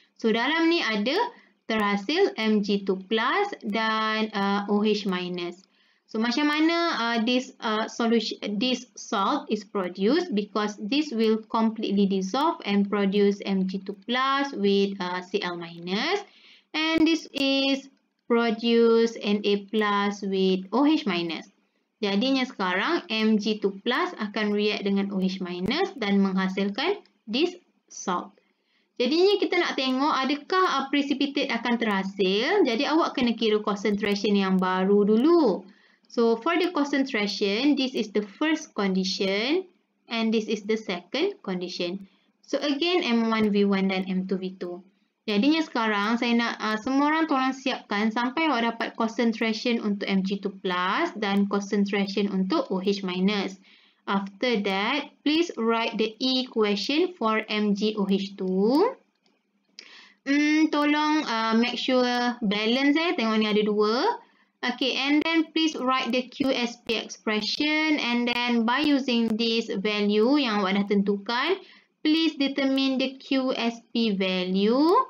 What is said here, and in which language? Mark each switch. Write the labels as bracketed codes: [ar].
[ms] So, dalam ni ada terhasil Mg2+ dan OH-. [en] So macam mana this salt is produced, because this will completely dissolve and produce Mg2+ with Cl-. And this is produce Na+ with OH-. [ms] Jadinya sekarang Mg2+ akan [en] react [ms] dengan OH- dan menghasilkan [en] this salt. [ms] Jadinya kita nak tengok adakah precipitate akan terhasil. Jadi awak kena kira [en] concentration [ms] yang baru dulu. [en] So for the concentration, this is the first condition and this is the second condition. [ms] So again M1V1 dan M2V2. Jadinya sekarang saya nak semua orang tolong siapkan sampai awak dapat [en] concentration [ms] untuk Mg2+ dan concentration untuk OH-. [en] After that, please write the equation for MgOH2. [ms] Tolong [en] make sure balance [ms] tengok ni ada dua. [en] Okay, and then please write the QSP expression, and then by using this value [ms] yang awak dah tentukan, [en] please determine the QSP value.